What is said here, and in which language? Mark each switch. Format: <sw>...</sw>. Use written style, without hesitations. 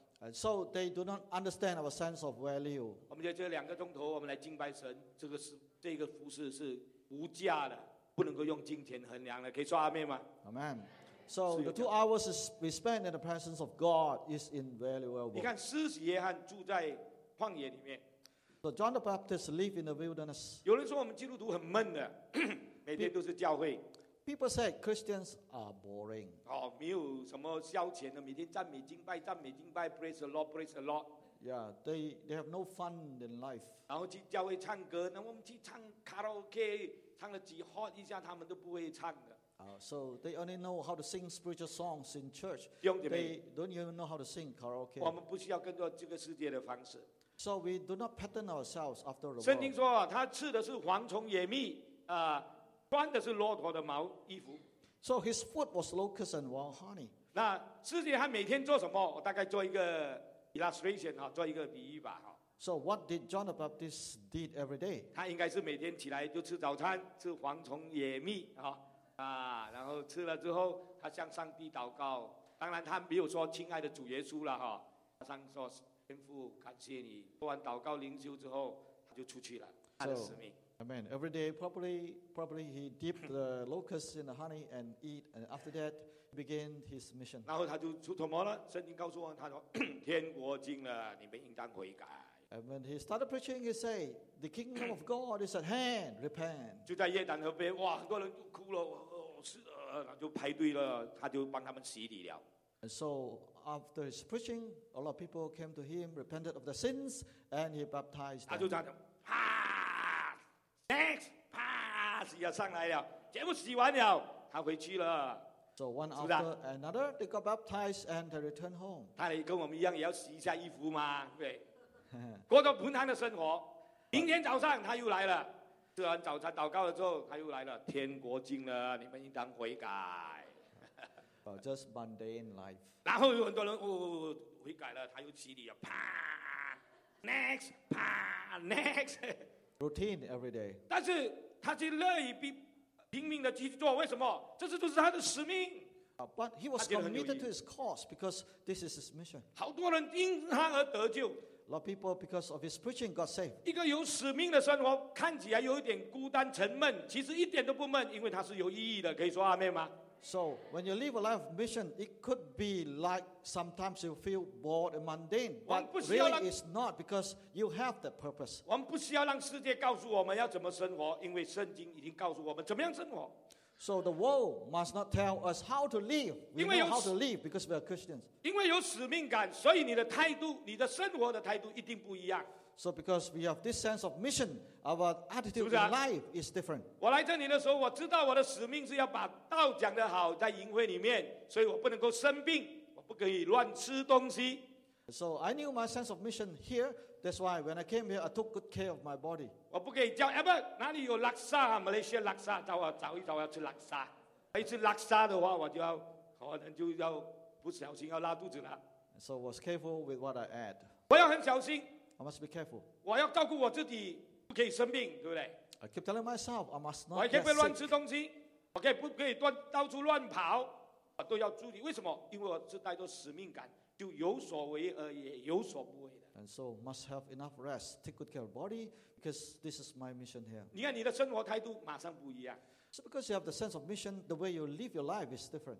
<en>And so they do not understand our sense of value.</en> <zh>我们在这两个钟头，我们来敬拜神，这个服事是无价的。不能够用金钱衡量了，可以说阿门吗</zh> <en>？Amen. So the 2 hours we spend in the presence of God is invaluable.</en> <zh>你看，施洗约翰住在旷野里面。</zh> <en>So John the Baptist lived in the wilderness.</en> <zh>有人说我们基督徒很闷的，每天都是教会。</zh> <en>People say Christians are boring.</en> <zh>哦，没有什么消遣的，每天赞美敬拜，赞美敬拜 ，</zh> <en>praise the Lord, praise the Lord. Yeah, they have no fun in life.</en> <zh>然后去教会唱歌，那我们去唱卡拉 OK。唱了几 hot 一下，他们都不会唱的。</zh> <en>So they only know how to sing spiritual songs in church.</en> <zh>弟兄姐妹,</zh> <en>they don't even know how to sing karaoke.</en> <zh>我们不需要跟着这个世界的方式。</zh> <en>So we do not pattern ourselves after the world.</en> <zh>圣经说他吃的是蝗虫野蜜，穿的是骆驼的毛衣服。</zh> <en>So his food was locust and wild honey.</en> <zh>那世界他每天做什么？我大概做一个 illustration 做一个比喻吧。</zh> <en>So what did John the Baptist did every day?</en> <zh>他应该是每天起来就吃早餐，吃蝗虫野蜜然后吃了之后，他向上帝祷告。当然，他没有说“亲爱的主耶稣”了哈。他上说：“天父，感谢你。” 做完祷告灵修之后，他就出去了，他的使命。</zh> <en>So, Amen. Every day, probably he dipped the locusts in the honey and eat, and after that, he began his mission.</en> <zh>然后他就出什么了？圣经告诉我，他说：“天国近了，你们应当悔改。”</zh> <en>And when he started preaching, he said, "The kingdom of God is at hand. Repent."</en> <zh>就在约旦河边，哇，很多人都哭了。就排队了，他就帮他们洗礼了。</zh> <en>And so after his preaching, a lot of people came to him, repented of their sins, and he baptized them.</en> <zh>他就这样 ，</zh> <en>pass, next, pass,</en> <zh>也上来了，全部洗完了，他回去了。</zh> <en>So one after another, they got baptized and they returned home.</en> <zh>他也跟我们一样，也要洗一下衣服嘛，对。过着平常的生活，明天早上他又来了。吃完早餐祷告了之后，他又来了。天国近了，你们应当悔改。</zh> <en>Well, just mundane life.</en> <zh>然后有很多人悔改了，他又洗礼了。</zh> <en>啪 ，next， 啪 ，next。 Routine every day.</en> <zh>但是他是乐意拼命的去做，为什么？这是就是他的使命。</zh> <en>But he was committed to his cause because this is his mission.</en> <zh>好多人因他而得救。</zh> <en>A lot of people, because of his preaching, got saved.</en> <zh>一个有使命的生活看起来有点孤单沉闷，其实一点都不闷，因为它是有意义的。可以说阿妹吗？</zh> <en>So when you live a life of mission, it could be like sometimes you feel bored and mundane, but really it's not because you have the purpose.</en> <zh>我们不需要让世界告诉我们要怎么生活，因为圣经已经告诉我们怎么样生活。</zh> <en>So the world must not tell us how to live. We know how to live because we are Christians.</en> <zh>因为有使命感，所以你的态度，你的生活的态度一定不一样。</zh> <en>So because we have this sense of mission, our attitude in life is different.</en> <zh>我来这里的时候，我知道我的使命是要把道讲得好，在营会里面，所以我不能够生病，我不可以乱吃东西。</zh> <en>So I knew my sense of mission here. That's why when I came here, I took good care of my body.</en> <zh>我不可以叫 Albert， 哪里有 laksa？ Malaysia laksa， 找我找一找，我要吃 laksa。一吃 laksa 的话，我就要可能就要不小心要拉肚子了。</zh> <en>So I was careful with what I ate.</en> <zh>我要很小心。</zh> <en>I must be careful.</en> <zh>我要照顾我自己，不可以生病，对不对</zh> <en>？I keep telling myself I must not.</en> <zh>我可以不乱吃东西，我可以不可以乱到处乱跑，我都要注意。为什么？因为我是带着使命感。就有所为而也有所不为的。</zh> <en>And so must have enough rest, take good care of body, because this is my mission here.</en> <zh>你看你的生活态度马上不一样。</zh> <en>So because you have the sense of mission, the way you live your life is different.</en>